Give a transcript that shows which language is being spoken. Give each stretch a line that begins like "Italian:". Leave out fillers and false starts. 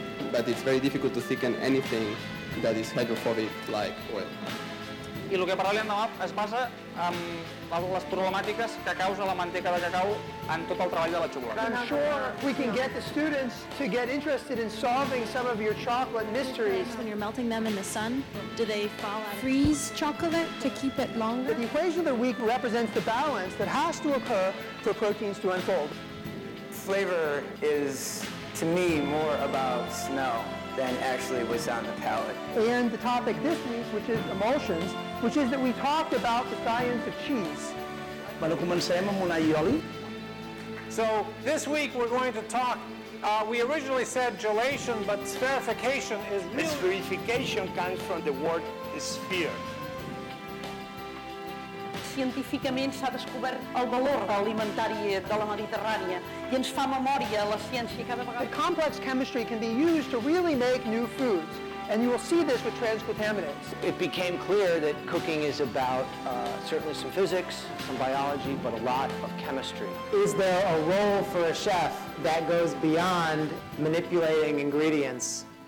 English: But it's very difficult to thicken anything that is hydrophobic like oil.
Catalan: I el que parlem demà es basa en les problemàtiques que causa la manteca de cacau en tot el treball de la xocolata.
English: I'm sure we can get the students to get interested in solving some of your chocolate mysteries. When you're melting them in the sun, do they fall out? Freeze chocolate to keep it longer? But the equation of the week represents the balance that has to occur for proteins to unfold. Flavor is, to me, more about smell than actually what's on the palate. And the topic this week, which is emulsions, which is that we talked about the science of cheese.
Catalan: Bueno, comencem amb un aioli.
English: So this week we're going to talk, we originally said gelation, but spherification is really... Spherification comes from the word sphere.
Catalan: Científicament s'ha descobert el valor alimentari de la Mediterrània I ens fa memòria la ciència cada vegada.
English: The complex chemistry can be used to really make new foods, and you will see this with transglutaminase. It became clear that cooking is about certainly some physics, some biology, but a lot of chemistry. Is there a role for a chef that goes beyond manipulating ingredients?